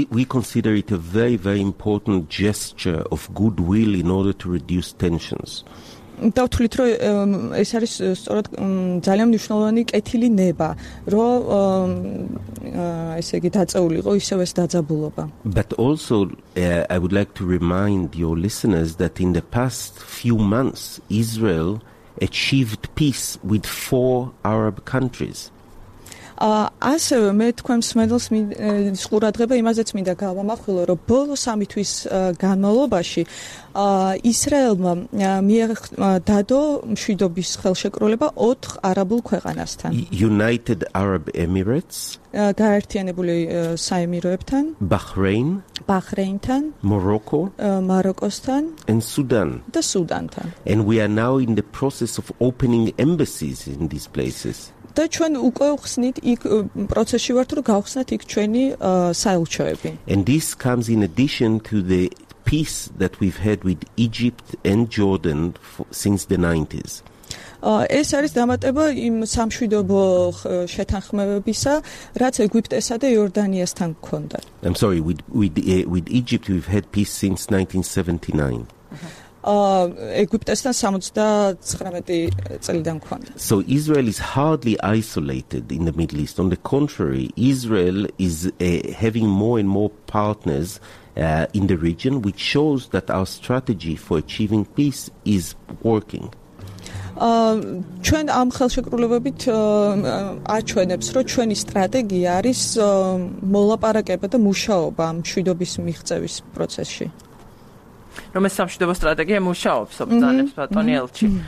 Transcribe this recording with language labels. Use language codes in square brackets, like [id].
[en] We consider it a very very important gesture of goodwill in order to reduce tensions. [ka] და ვთვლით რომ ეს არის სწორედ ძალიან მნიშვნელოვანი კეთილი ნება რომ ესე იგი დაწეულიყო ისევ ეს დაძაბულობა. [en] But also I would like to remind your listeners that in the past few months Israel achieved peace with four Arab countries. [ka] ასევე მე თქვენ მსმენელს მის ყურადღება იმაზეც მინდა გავამახვილო რომ ბოლო სამი თვის განმავლობაში ისრაელმა დადო მშვიდობის ხელშეკრულება 4 არაბულ ქვეყანასთან. [en] United Arab Emirates, [ka] გაერთიანებული საემიროებთან, Bahrain-თან, Morocco-სთან, [en] and Sudan. [ka] და სუდანთან. [en] And we are now in the process of opening embassies in these places. [ka] და ჩვენ უკვე ვხსნით იქ პროცესში ვართ რომ გავხსნათ იქ ჩვენი საელჩოები. [en] And this comes in addition to the peace that we've had with Egypt and Jordan since the 90s. [ka] ეს არის დამატება იმ სამშვიდობო შეთანხმებებისა, რაც ეგვიპტესა და იორდანიასთან ჰქონდა. [en] I'm sorry, with Egypt we've had peace since 1979. [ka] ეგვიპტესთან 79 წლიდან ქონდა. [en] So Israel is hardly isolated in the Middle East. On the contrary, Israel is having more and more partners in the region, which shows that our strategy for achieving peace is working. [ka] ჩვენ ამ ხელშეკრულებებით აჩვენებს, რომ ჩვენი სტრატეგია არის მოლაპარაკება და მუშაობა მშვიდობის მიღწევის პროცესში. რომ ეს სამშვიდობო სტრატეგია მუშაობს, ოპტანებს ბატონი ელჩი.